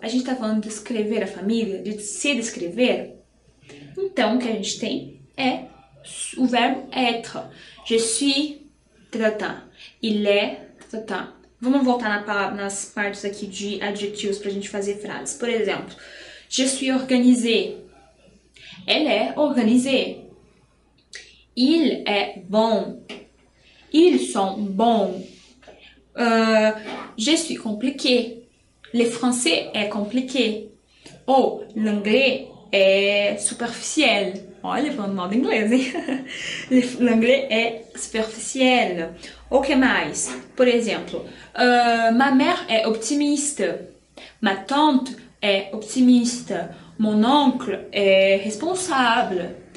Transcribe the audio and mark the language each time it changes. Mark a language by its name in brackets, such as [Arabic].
[Portuguese] A gente tá falando de descrever a família? De se descrever? Então, o que a gente tem é o verbo être. [French] Je suis tratant. Il est tratant. [Portuguese] Vamos voltar nas partes aqui de adjetivos para a gente fazer frases. [French] Por exemplo, je suis organisé. Elle est organisée. Il est bon. Ils sont bons. Je suis compliqué. Le français est compliqué. Ou l'anglais é superficiel. [Portuguese] Olha, falando mal do inglês, hein? L'anglais é superficiel. O que mais? Por exemplo, ma mère é optimista. Ma tante é optimista. Mon oncle é responsable.